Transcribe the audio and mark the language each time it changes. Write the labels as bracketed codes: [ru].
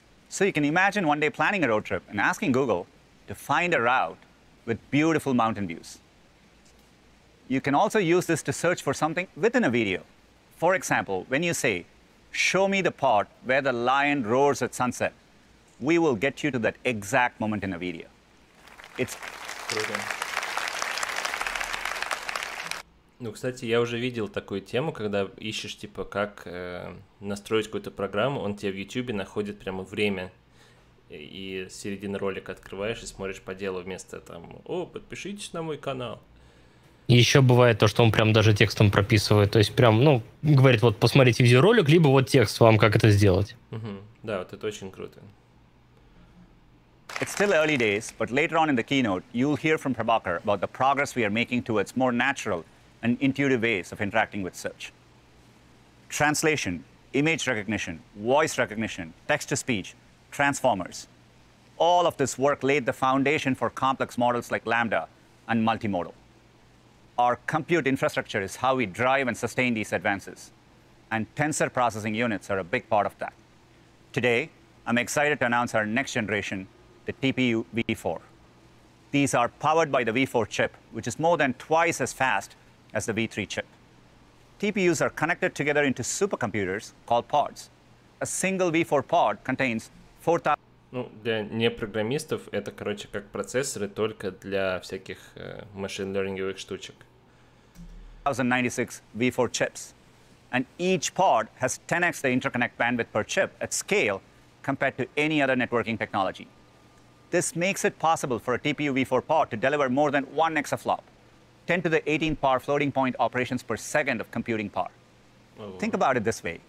[en] So you can imagine one day planning a road trip and asking Google to find a route with beautiful mountain views. You can also use this to search for something within a video. For example, when you say, show me the part where the lion roars at sunset, we will get you to that exact moment in a video. It's... [ru] Ну, кстати, я уже видел такую тему, когда ищешь, типа, как настроить какую-то программу, он тебе в YouTube находит прямо время, и с середины ролика открываешь и смотришь по делу вместо там, о, подпишитесь на мой канал. Еще бывает то, что он прям даже текстом прописывает, то есть прям, ну, говорит, вот посмотрите видеоролик, либо вот текст вам, как это сделать. Угу. Да, вот это очень круто. [en] It's still early days, but later on in the keynote, you'll hear from Prabhakar about the progress we are making towards more natural and intuitive ways of interacting with search. Translation, image recognition, voice recognition, text-to-speech, transformers. All of this work laid the foundation for complex models like Lambda and multimodal. Our compute infrastructure is how we drive and sustain these advances. And tensor processing units are a big part of that. Today, I'm excited to announce our next generation, the TPU V4. These are powered by the V4 chip, which is more than twice as fast as the V3 chip. TPUs are connected together into supercomputers called pods. A single V4 pod contains 4,000... [ru] Ну, для непрограммистов это, короче, как процессоры, только для всяких машин-лернинговых штучек. [en] 1,096 V4 chips. And each pod has 10x the interconnect bandwidth per chip at scale compared to any other networking technology. This makes it possible for a TPU V4 pod to deliver more than 1 exaflop, 10 to the 18th power floating point operations per second of computing power. Think about it this way.